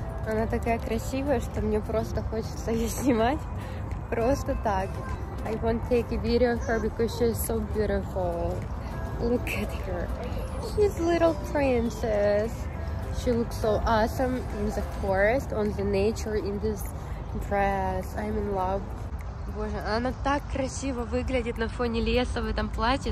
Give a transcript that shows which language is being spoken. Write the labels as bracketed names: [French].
[Russian] Она такая красивая, что мне просто хочется ее снимать. Просто так. [English] I won't take a video of her because she's so beautiful. Look at her. She's a little princess. She looks so awesome in the forest, on the nature, in this dress. I'm in love. [Russian] Боже, она так красиво выглядит на фоне леса в этом платье.